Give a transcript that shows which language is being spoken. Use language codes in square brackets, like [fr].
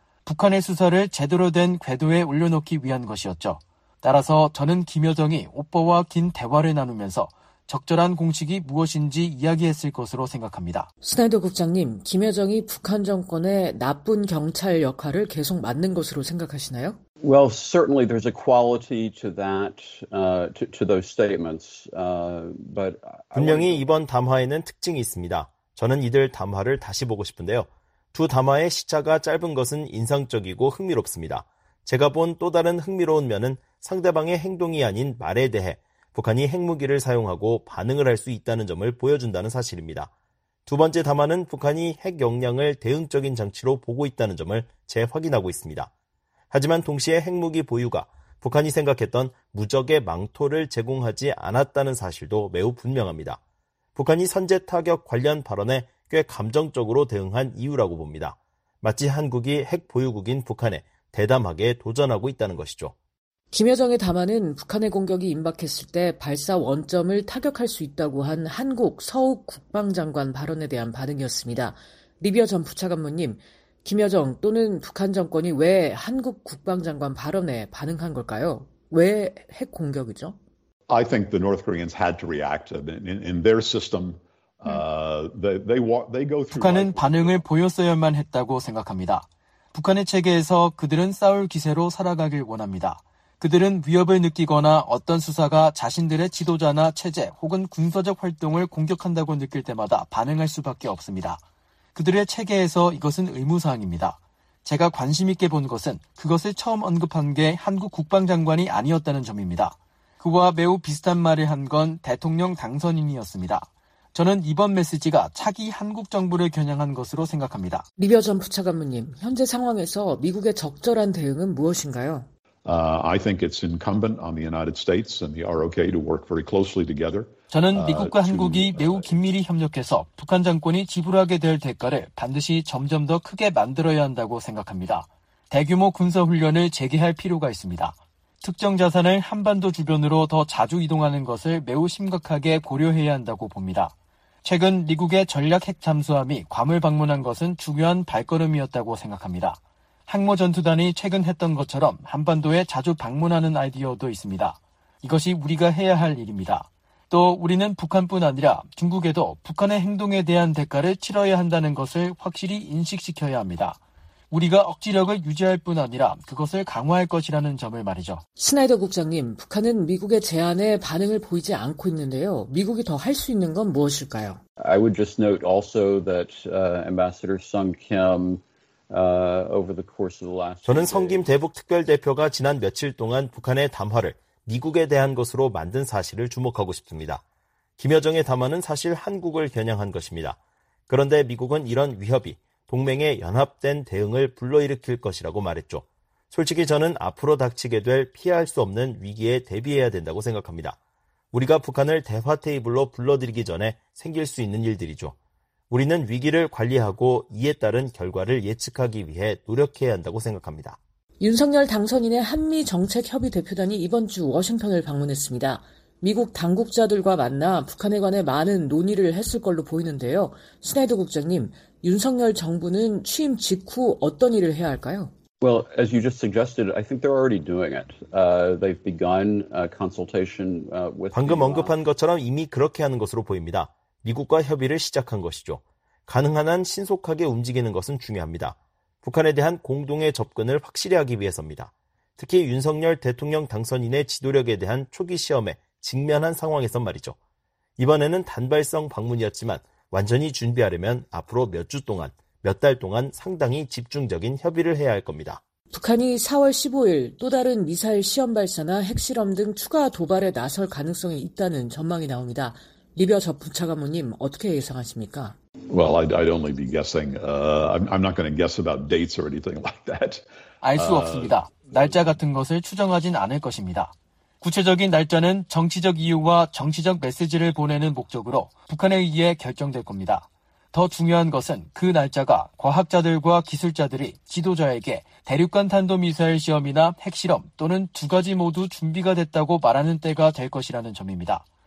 [ko] 북한의 수사를 제대로 된 궤도에 올려놓기 위한 것이었죠. 따라서 저는 김여정이 오빠와 긴 대화를 나누면서 적절한 공식이 무엇인지 이야기했을 것으로 생각합니다. 스나이더 국장님, 김여정이 북한 정권의 나쁜 경찰 역할을 계속 맡는 것으로 생각하시나요? [en] Well, certainly there's a quality to that, to those statements. But [ko] 분명히 이번 담화에는 특징이 있습니다. 저는 이들 담화를 다시 보고 싶은데요. 두 담화의 시차가 짧은 것은 인상적이고 흥미롭습니다. 제가 본 또 다른 흥미로운 면은 상대방의 행동이 아닌 말에 대해 북한이 핵무기를 사용하고 반응을 할 수 있다는 점을 보여준다는 사실입니다. 두 번째 담화는 북한이 핵 역량을 대응적인 장치로 보고 있다는 점을 재확인하고 있습니다. 하지만 동시에 핵무기 보유가 북한이 생각했던 무적의 망토를 제공하지 않았다는 사실도 매우 분명합니다. 북한이 선제 타격 관련 발언에 꽤 감정적으로 대응한 이유라고 봅니다. 마치 한국이 핵 보유국인 북한에 대담하게 도전하고 있다는 것이죠. 김여정의 담화는 북한의 공격이 임박했을 때 발사 원점을 타격할 수 있다고 한 한국 서욱 국방장관 발언에 대한 반응이었습니다. 리비아 전 부차관무님, 김여정 또는 북한 정권이 왜 한국 국방장관 발언에 반응한 걸까요? 왜 핵 공격이죠? [en] I think the North Koreans had to react. In their system, they go through. [ko] 북한은 반응을 보였어야만 했다고 생각합니다. 북한의 체계에서 그들은 싸울 기세로 살아가길 원합니다. 그들은 위협을 느끼거나 어떤 수사가 자신들의 지도자나 체제 혹은 군사적 활동을 공격한다고 느낄 때마다 반응할 수밖에 없습니다. 그들의 체계에서 이것은 의무사항입니다. 제가 관심 있게 본 것은 그것을 처음 언급한 게 한국 국방장관이 아니었다는 점입니다. 그와 매우 비슷한 말을 한 건 대통령 당선인이었습니다. 저는 이번 메시지가 차기 한국 정부를 겨냥한 것으로 생각합니다. 리비아 전 부차관무님, 현재 상황에서 미국의 적절한 대응은 무엇인가요? [en] I think it's incumbent on the United States and the ROK to work very closely together. [ko] 저는 미국과 한국이 매우 긴밀히 협력해서 북한 정권이 지불하게 될 대가를 반드시 점점 더 크게 만들어야 한다고 생각합니다. 대규모 군사훈련을 재개할 필요가 있습니다. 특정 자산을 한반도 주변으로 더 자주 이동하는 것을 매우 심각하게 고려해야 한다고 봅니다. 최근 미국의 전략 핵 잠수함이 괌을 방문한 것은 중요한 발걸음이었다고 생각합니다. 항모 전투단이 최근 했던 것처럼 한반도에 자주 방문하는 아이디어도 있습니다. 이것이 우리가 해야 할 일입니다. 또 우리는 북한뿐 아니라 중국에도 북한의 행동에 대한 대가를 치러야 한다는 것을 확실히 인식시켜야 합니다. 우리가 억지력을 유지할 뿐 아니라 그것을 강화할 것이라는 점을 말이죠. 스나이더 국장님, 북한은 미국의 제안에 반응을 보이지 않고 있는데요. 미국이 더 할 수 있는 건 무엇일까요? [en] I would just note also that Ambassador Sung Kim over the course of the last [ko] 저는 성김 대북 특별대표가 지난 며칠 동안 북한의 담화를 미국에 대한 것으로 만든 사실을 주목하고 싶습니다. 김여정의 담화는 사실 한국을 겨냥한 것입니다. 그런데 미국은 이런 위협이 동맹의 연합된 대응을 불러일으킬 것이라고 말했죠. 솔직히 저는 앞으로 닥치게 될 피할 수 없는 위기에 대비해야 된다고 생각합니다. 우리가 북한을 대화 테이블로 불러들이기 전에 생길 수 있는 일들이죠. 우리는 위기를 관리하고 이에 따른 결과를 예측하기 위해 노력해야 한다고 생각합니다. 윤석열 당선인의 한미정책협의대표단이 이번 주 워싱턴을 방문했습니다. 미국 당국자들과 만나 북한에 관해 많은 논의를 했을 걸로 보이는데요. 스나이더 국장님, 윤석열 정부는 취임 직후 어떤 일을 해야 할까요? [en] Well, as you just suggested, I think they're already doing it. They've begun consultation with [ko] 방금 언급한 것처럼 이미 그렇게 하는 것으로 보입니다. 미국과 협의를 시작한 것이죠. 가능한 한 신속하게 움직이는 것은 중요합니다. 북한에 대한 공동의 접근을 확실히 하기 위해서입니다. 특히 윤석열 대통령 당선인의 지도력에 대한 초기 시험에 직면한 상황에서 말이죠. 이번에는 단발성 방문이었지만 완전히 준비하려면 앞으로 몇 주 동안, 몇 달 동안 상당히 집중적인 협의를 해야 할 겁니다. 북한이 4월 15일 또 다른 미사일 시험 발사나 핵실험 등 추가 도발에 나설 가능성이 있다는 전망이 나옵니다. 리비아 부차관님 어떻게 예상하십니까? [en] Well, I'd only be guessing. I'm not going to guess about dates or anything like that. [ko] 알 수 없습니다. 날짜 같은 것을 추정하진 않을 것입니다. 구체적인 날짜는 정치적 이유와 정치적 메시지를 보내는 목적으로 북한에 의해 결정될 겁니다. 더 중요한 것은 그 날짜가 과학자들과 기술자들이 지도자에게 대륙간 탄도미사일 시험이나 핵실험 또는 두 가지 모두 준비가 됐다고 말하는 때가 될 것이라는 점입니다.